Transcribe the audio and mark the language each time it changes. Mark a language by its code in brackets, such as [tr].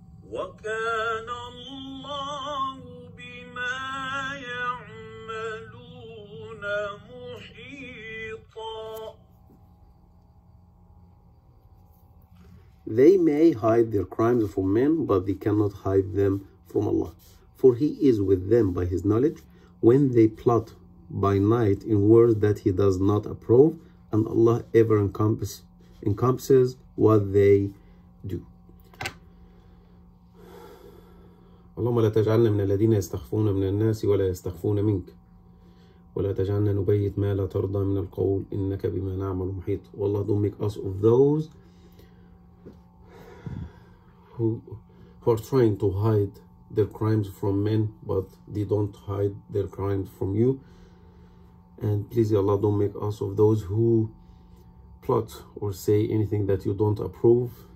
[ar] وكان الله بما يعملون محيطا. [en] They may hide their crimes from men, but they cannot hide them from Allah. For he is with them by his knowledge when they plot by night in words that he does not approve, and Allah ever encompasses what they do. [ar] اللهم لا تجعلنا من الذين يستخفون من الناس ولا يستخفون منك, ولا تجعلنا نبيت ما لا ترضى من القول إنك بما نعمل محيط. [en] والله don't make us of those who are trying to hide their crimes from men but they don't hide their crimes from you. And please ya Allah, don't make us of those who plot or say anything that you don't approve.